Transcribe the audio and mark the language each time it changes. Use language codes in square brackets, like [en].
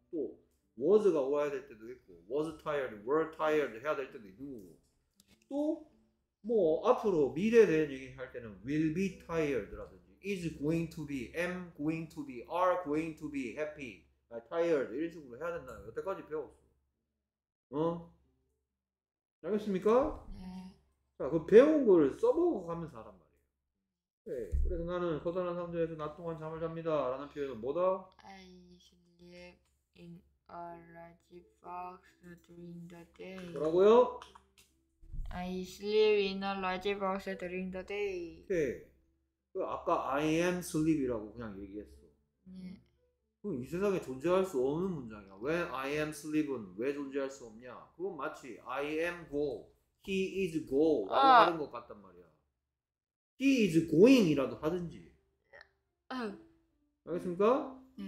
[ko] 또 was가 와야 될 때도 있고 [en] was tired, were tired [ko] 해야 될 때도 있고 또뭐 앞으로 미래에 대한 얘기할 때는 [en] will be tired [ko] 라든지 [en] is going to be, am going to be, are going to be happy, tired [ko] 이런 식으로 해야 된다 여태까지 배웠어 어? 알겠습니까? 자, 그 배운 거를 써먹어 가면서 하란 말이에요. 오케이. 그래서 나는 커다란 상자에서 낮 동안 잠을 잡니다. 라는 표현은 뭐다? 아이 실례. [en] live in a large box during the day. [ko] 뭐라고요? [en] I sleep in a large box during the day. [ko] 오케이. 그 아까 [en] I am sleep [ko] 이라고 그냥 얘기했어. 그럼 이 세상에 존재할 수 없는 문장이야. 왜 [en] I am sleep [ko] 은 왜 존재할 수 없냐? 그건 마치 [en] I am go, he is go [ko] 라고 아. 하는 것 같단 말이야. [en] He is going [ko] 이라도 하든지. 알겠습니까?